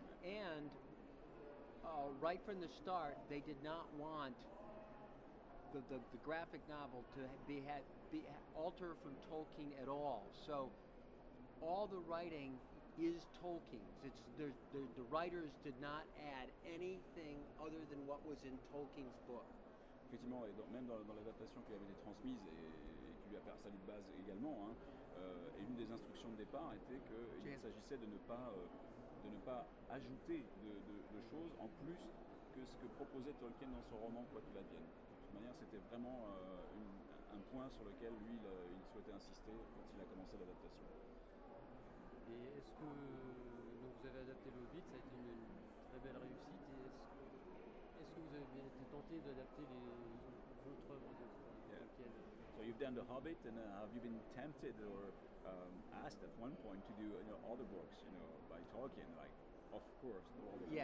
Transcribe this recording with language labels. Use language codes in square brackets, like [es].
[en] And right from the start, they did not want the graphic novel to be altered from Tolkien at all. So all the writing is Tolkien's. It's the writers did not add anything other than what was in Tolkien's book. [fr] Effectivement, et même dans l'adaptation qui avait été transmise et qui lui a fait sa de base également, hein, et une des instructions de départ était qu'il s'agissait de ne pas ajouter de choses en plus que ce que proposait Tolkien dans son roman, quoi qu'il advienne. De toute manière, c'était vraiment un point sur lequel lui, il souhaitait insister quand il a commencé l'adaptation. Et est-ce que donc vous avez adapté le Hobbit, ça a été une très belle réussite, et est-ce que vous avez été tenté d'adapter les autres œuvres de Tolkien? [en] So you've done The Hobbit, and have you been tempted or asked at one point to do other books, you know, by Tolkien, like, of course, Lord of the Rings?